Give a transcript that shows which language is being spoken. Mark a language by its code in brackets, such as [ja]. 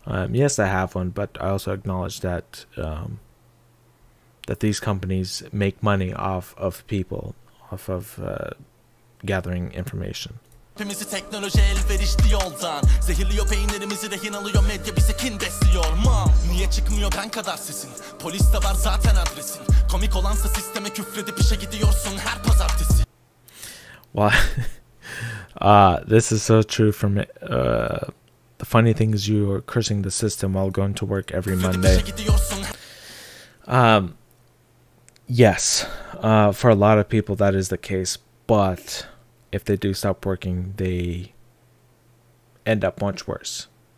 [en] Yes, I have one, but I also acknowledge that that these companies make money off of people, off of gathering information. [tr] Hepimizi teknoloji elverişli yoldan zehirliyor, peynirimizi rehin alıyor, medya bize kin besliyor. Mam, niye çıkmıyor ben kadar sesin? Polis de var zaten adresin. Komik olansa sisteme küfredip işe gidiyorsun her pazartesi. [en] Why? this is so true for me. The funny thing is you are cursing the system while going to work every Monday. Yes. For a lot of people that is the case, but if they do stop working, they end up much worse.